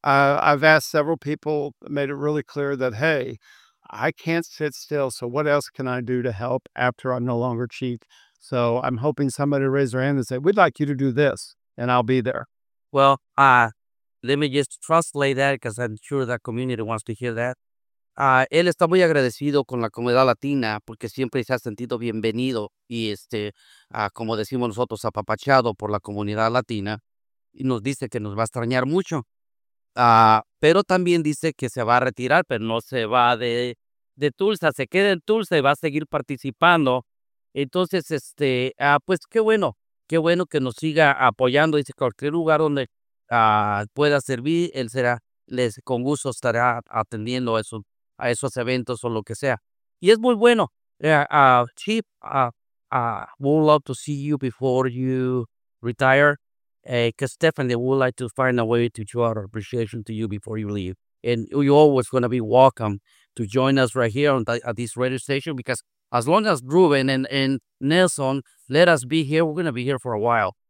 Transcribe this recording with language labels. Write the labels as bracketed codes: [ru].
[en] I've asked several people, made it really clear that, hey, I can't sit still, so what else can I do to help after I'm no longer chief? So I'm hoping somebody raise their hand and say, we'd like you to do this, and I'll be there. Well, let me just translate that, because I'm sure that community wants to hear that. [es] Él está muy agradecido con la comunidad latina, porque siempre se ha sentido bienvenido, y como decimos nosotros, apapachado por la comunidad latina, y nos dice que nos va a extrañar mucho. Pero también dice que se va a retirar, pero no se va de Tulsa, se queda en Tulsa y va a seguir participando. Entonces, pues qué bueno que nos siga apoyando. Dice cualquier lugar donde pueda servir, él será, con gusto estará atendiendo a esos eventos o lo que sea. Y es muy bueno. [en] Chief, we'd love to see you before you retire. Because definitely would like to find a way to show our appreciation to you before you leave. And you're always going to be welcome to join us right here at this radio station, because as long as Ruben and Nelson let us be here, we're going to be here for a while.